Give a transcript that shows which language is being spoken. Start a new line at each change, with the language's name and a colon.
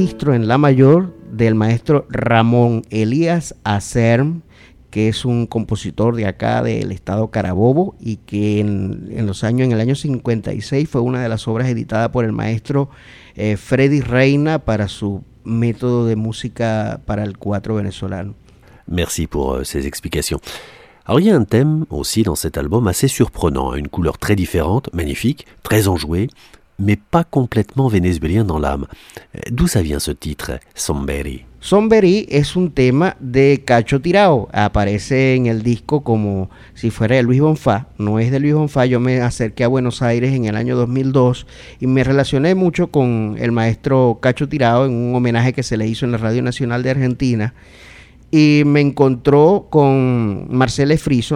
Spanish: En la mayor del maestro Ramón Elías Acerm, que es un compositor de acá del estado Carabobo y que en el año 56 fue una de las obras editadas por el maestro Freddy Reina para su método de música para el cuatro venezolano.
French: Merci pour ces explications. Alors, il y a un thème aussi dans cet album assez surprenant, une couleur très différente, magnifique, très enjouée, mais pas complètement vénézuélien dans l'âme. D'où ça vient ce titre, Somberi?
Spanish: Somberi es un tema de Cacho Tirao. Aparece en el disco como si fuera de Luis Bonfá. No es de Luis Bonfá. Yo me acerqué a Buenos Aires en el año 2002 y me relacioné mucho con el maestro Cacho Tirao en un homenaje que se le hizo en la Radio Nacional de Argentina. Y me encontró con Marcel Efrizo.